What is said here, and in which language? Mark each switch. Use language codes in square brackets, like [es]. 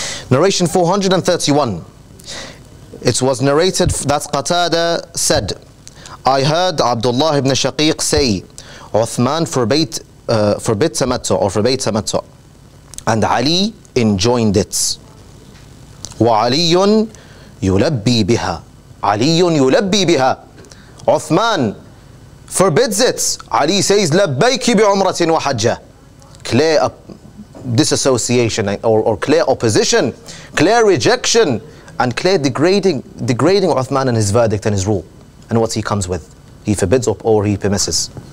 [en] Narration 431. It was narrated that Qatada said, I heard Abdullah ibn Shaqiq say, Uthman forbade tamattu, or forbade tamattu, and Ali enjoined it. [ar] وَعَلِيٌّ يُلَبِّي بِهَا عَلِيٌّ يُلَبِّي بِهَا [en] Uthman forbids it. Ali says, [ar] لَبَّيْكِ بِعُمْرَةٍ وَحَجَّةٍ [en] Clear disassociation or clear opposition, clear rejection, and clear degrading Uthman and his verdict and his rule and what he comes with. he forbids or he permits.